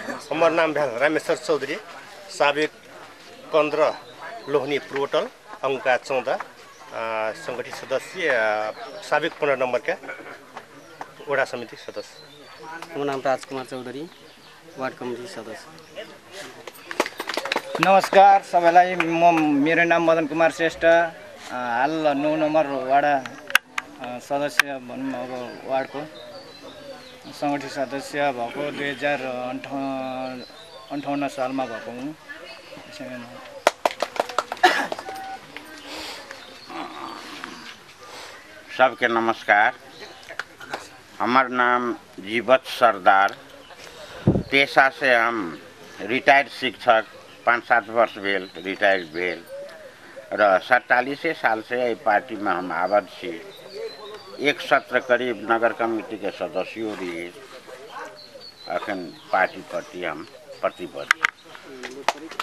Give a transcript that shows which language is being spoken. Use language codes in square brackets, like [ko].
[mai] हमर नाम भेल रामेश्वर चौधरी साबिक कन्द्र लोहनी पुरोटल अंका 14 संगठित सदस्य साबिक 15 नंबर के वडा समिति सदस्य हमर नाम राजकुमार चौधरी वार्ड कमिटी सदस्य [ne] नमस्कार सबैलाई मेरो नाम मदन कुमार श्रेष्ठ हाल नौ नम्बर वडा सदस्य भनौँ अब वार्डको सङ्गठित सदस्य भएको 2058 सालमा भएको हुँ [mai] सबके नमस्कार हमर नाम जीवत सरदार पेशा से हम रिटायर्ड शिक्षक पाँच सात वर्ष भेल रिटायर भेल र 47 साल से एहि पार्टी में हम आबद छी एक सत्र करीब नगर कमिटी के सदस्यो रही अखन पार्टी प्रति हम प्रतिबद्ध